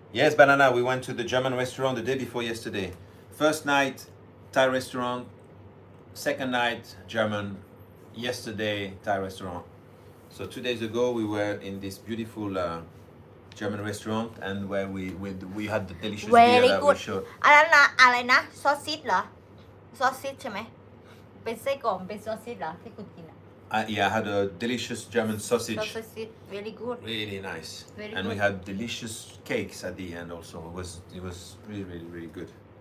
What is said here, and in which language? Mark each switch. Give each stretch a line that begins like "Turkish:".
English: Yes, Banana, we went to the German restaurant the day before yesterday. First night, Thai restaurant. Second night, German.Yesterday, Thai restaurant. So 2 days ago, we were in this beautiful German restaurant, and where we had the delicious very beer. Very good.
Thai: อะไรนะ sausage เหรอ sausage ใช่ไหม เป็นไส้กรอกเป็น sausage เหรอที่คุณกินอ่ะ
English: Yeah, I had a delicious German sausage. Very good. Really nice. Very and good. We had delicious cakes at the end also. It was really, really, really good.